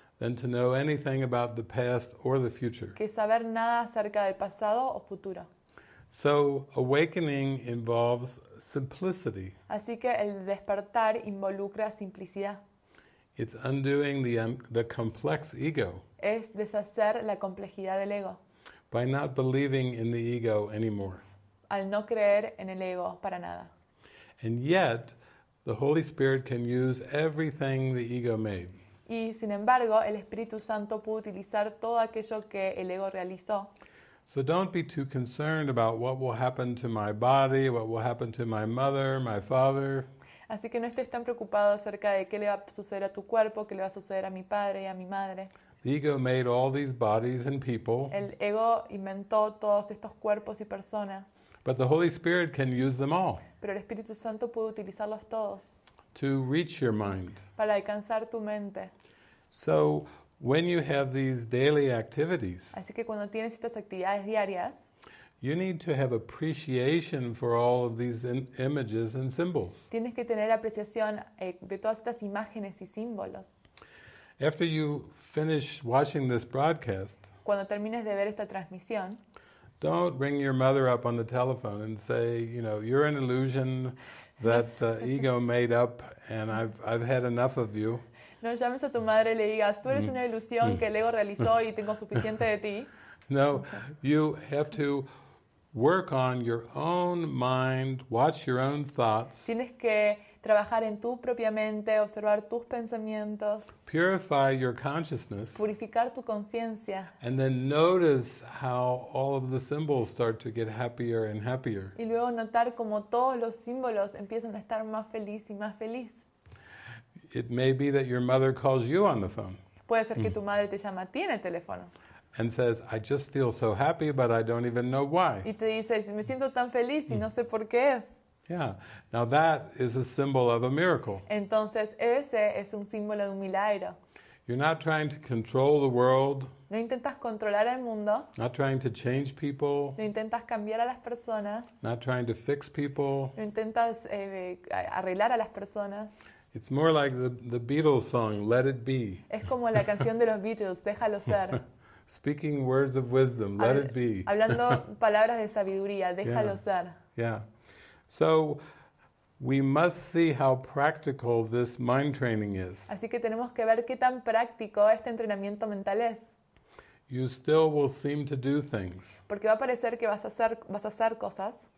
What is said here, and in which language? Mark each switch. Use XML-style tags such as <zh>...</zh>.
<en>Than to know anything about the past or the future.</en> <es>Que saber nada acerca del pasado o futuro.</es> <en>So awakening involves simplicity.</en> <es>Así que el despertar involucra simplicidad.</es> <en>It's undoing the complex ego.</en> <es>Es deshacer la complejidad del ego.</es> <en>By not believing in the ego anymore.</en> <es>Al no creer en el ego para nada.</es> <en>And yet, the Holy Spirit can use everything the ego made.</en> <es>Y sin embargo, el Espíritu Santo pudo utilizar todo aquello que el ego realizó.</es> <en>So don't be too concerned about what will happen to my body, what will happen to my mother, my father.</en> <es>Así que no estés tan preocupado acerca de qué le va a suceder a tu cuerpo, qué le va a suceder a mi padre y a mi madre.</es> <en>The ego made all these bodies and people.</en> <es>El ego inventó todos estos cuerpos y personas.</es> <en>But the Holy Spirit can use them all.</en> <es>Pero el Espíritu Santo puede utilizarlos todos.</es> <en>To reach your mind.</en> <es>Para alcanzar tu mente.</es> <en>So, when you have these daily activities.</en> <es>Así que cuando tienes estas actividades diarias.</es> <en>You need to have appreciation for all of these images and symbols.</en> <es>Tienes que tener apreciación de todas estas imágenes y símbolos.</es> <en>After you finish watching this broadcast.</en> <es>Cuando termines de ver esta transmisión.</es> <en>Don't ring your mother up on the telephone and say, you know, you're an illusion that ego made up and I've had enough of you.</en> <es>No llames a tu madre y le digas, tú eres una ilusión que el ego realizó y tengo suficiente de ti.</es> <en>No, you have to work on your own mind, watch your own thoughts.</en> <es>Tienes que trabajar en tu propia mente, observar tus pensamientos.</es> <en>Purify your consciousness.</en> <es>Purificar tu conciencia.</es> <en>And then notice how all of the symbols start to get happier and happier.</en> <es>Y luego notar cómo todos los símbolos empiezan a estar más feliz y más feliz.</es> <en>It may be that your mother calls you on the phone.</en> <es>Puede ser que tu madre te llama a ti en el teléfono.</es> <en>And says, I just feel so happy, but I don't even know why.</en> <es>Y te dice, me siento tan feliz y no sé por qué es.</es> <en>Yeah, now that is a symbol of a miracle.</en> <es>Entonces, ese es un símbolo de un milagro.</es> <en>You're not trying to control the world.</en> <es>No intentas controlar el mundo.</es> <en>Not trying to change people.</en> <es>No intentas cambiar a las personas.</es> <en>Not trying to fix people.</en> <es>No intentas arreglar a las personas.</es> <en>It's more like the Beatles song, Let It Be.</en> <es>Es como la canción de los Beatles, Déjalo Ser.</es> <en>Speaking words of wisdom, let it be.</en> <es>Hablando palabras de sabiduría, déjalo ser.</es> <en>Yeah. So we must see how practical this mind training is.</en> <es>Así que tenemos que ver qué tan práctico este entrenamiento mental es.</es> <en>You still will seem to do things.</en> <es>Porque va a parecer que vas a hacer cosas.</es>